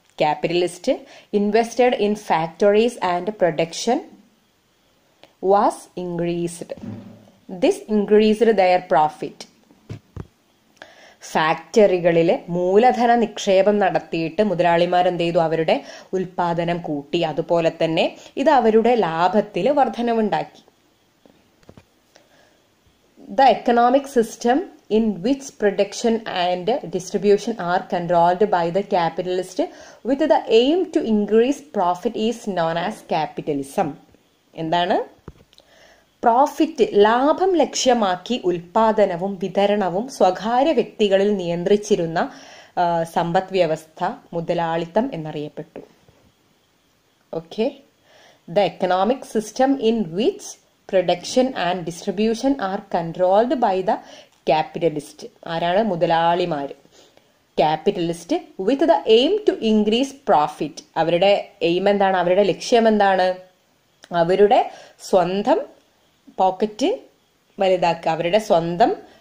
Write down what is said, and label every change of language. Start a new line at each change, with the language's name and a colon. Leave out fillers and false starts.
English: Capitalist invested in factories and production was increased, this increased their profit.
Malayalam: ഫാക്ടറികളിൽ മൂലധന നിക്ഷേപം നടത്തിയിട്ട് മുതലാളിമാർ എന്ത് ചെയ്തു, അവരുടെ ഉൽപ്പാദനം കൂട്ടി. അതുപോലെ തന്നെ ഇത് അവരുടെ ലാഭത്തിൽ വർധനവുണ്ടാക്കി.
English: The economic system in which production and distribution are controlled by the capitalist with the aim to increase profit is known as capitalism.
Malayalam: എന്താണ് പ്രോഫിറ്റ്? ലാഭം ലക്ഷ്യമാക്കി ഉൽപാദനവും വിതരണവും സ്വകാര്യ വ്യക്തികളിൽ നിയന്ത്രിച്ചിരുന്ന സമ്പദ് വ്യവസ്ഥ മുതലാളിത്തം എന്നറിയപ്പെട്ടു.
English: okay, the economic system in which production and distribution are controlled by the capitalist,
Malayalam: ആരാണ് മുതലാളിമാര്,
English: capitalist with the aim to increase profit,
Malayalam: അവരുടെ എയിം എന്താണ്, അവരുടെ ലക്ഷ്യം എന്താണ്, അവരുടെ സ്വന്തം
English: pocket വലുതാക്കുക, അവരുടെ സ്വന്തം